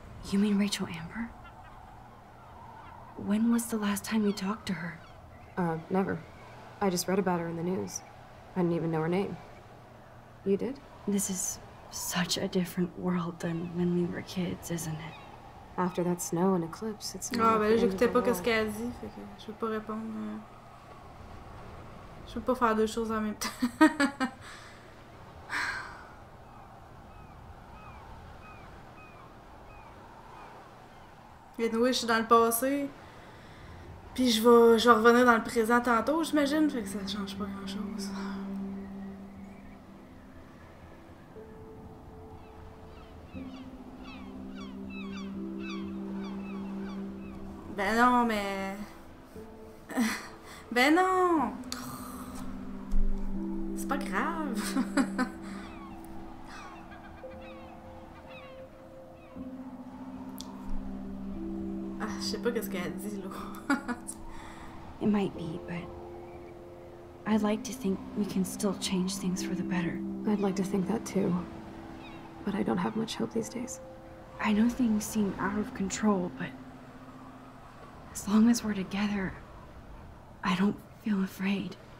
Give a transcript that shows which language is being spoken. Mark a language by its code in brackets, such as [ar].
[en] You mean Rachel Amber? When was the last time you talked to her? Never. I just read about her in the news. I didn't even know her name. You did? This is such a different world than when we were kids, isn't it? After that snow and eclipse, it's not. [fr] Ah, ben là, j'écoutais pas qu'est-ce qu'elle a dit, fait que je veux pas répondre. Je veux pas faire deux choses en même temps. Oui, je suis dans le passé. Puis je vais revenir dans le présent tantôt, j'imagine. Fait que ça change pas grand chose. Ben non, mais... Ben non! C'est pas grave. Ah, je sais pas qu'est-ce qu'elle dit, là. [en] It might be, but... I'd like to think we can still change things for the better. I'd like to think that too. But I don't have much hope these days. I know things seem out of control, but... as long as we're together, I don't feel afraid.